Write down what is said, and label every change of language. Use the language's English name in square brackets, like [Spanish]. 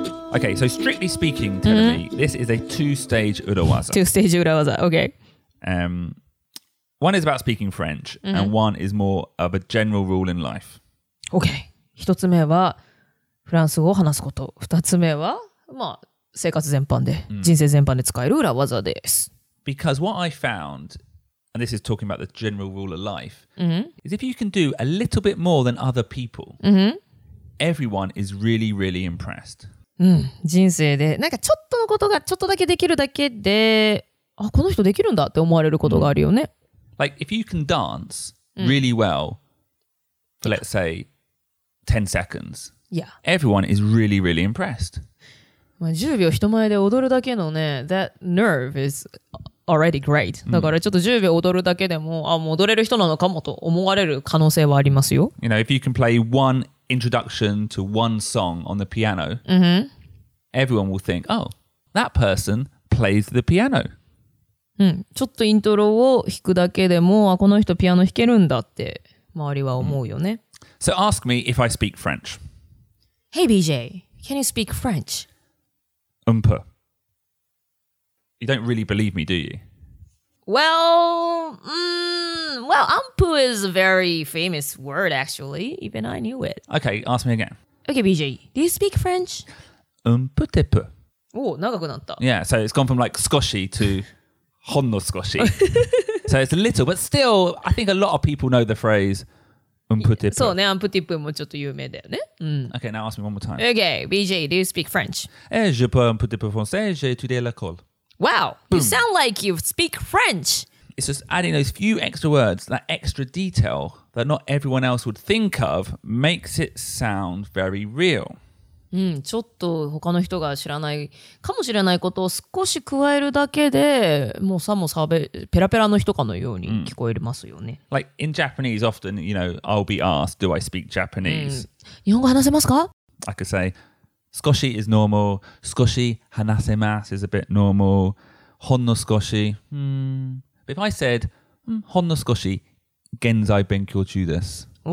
[English] Okay, so strictly speaking, Terumi, mm-hmm. this is a two-stage urawaza. Two-stage urawaza, okay. One is about speaking French, mm-hmm. and one is more of a general rule in life. Okay. [Japanese] 一つ目はフランス語を話すこと。二つ目は、まあ、生活全般で、mm. 人生全般で使える urawaza です。 [English] Because what I found, and this is talking about the general rule of life, mm-hmm. is if you can do a little bit more than other people, mm-hmm. everyone is really, really impressed. [Japanese] うん、人生でなんかちょっとのことがちょっとだけできるだけで、あ、この人できるんだって思われることがあるよね。 [English] Like if you can dance really well for let's say 10 seconds, yeah, everyone is really really impressed. [Japanese] まあ10秒人前で踊るだけのね、 [English] that nerve is already great. [Japanese] だからちょっと10秒踊るだけでも、あ、もう踊れる人なのかもと思われる可能性はありますよ。 [English] You know, if you can play one. Introduction to one song on the piano,、mm-hmm. everyone will think, oh, that person plays the piano.、 [Japanese] うん、ちょっとイントロを弾くだけでも、あ、この人ピアノ弾けるんだって周りは思うよね。 Mm. [English] So ask me if I speak French. Hey BJ, can you speak French? Umpa. You don't really believe me, do you? Well, well, umpu is a very famous word, actually. Even I knew it. Okay, ask me again. Okay, BJ, do you speak French? [French] Un petit peu. [Japanese] Oh, 長くなった。 [English] Yeah, so it's gone from like 少し to [Japanese] ほんの少し。 [English] So it's a little, but still, I think a lot of people know the phrase [French] un petit peu. [Japanese] そうね、 [French] un petit peu [Japanese] もちょっと有名だよね。 [English] Okay, now ask me one more time. Okay, BJ, do you speak French? [French] Je peux un petit peu français, j'ai étudié l'école. [English] Wow, you sound like you speak French. It's just adding those few extra words, that extra detail that not everyone else would think of makes it sound very real. [Japanese] ちょっと他の人が知らないかもしれないことを少し加えるだけで、もうさもさべ、ペラペラの人かのように聞こえますよね。 [English] Like in Japanese, often, you know, I'll be asked, do I speak Japanese? [Japanese] 日本語話せますか? [English] I could say... 少しis normal. [Japanese] 少し話せます [English] is a bit normal. [Japanese] ほんの少し [English] If I said, [Japanese] ほんの少し現在勉強中です。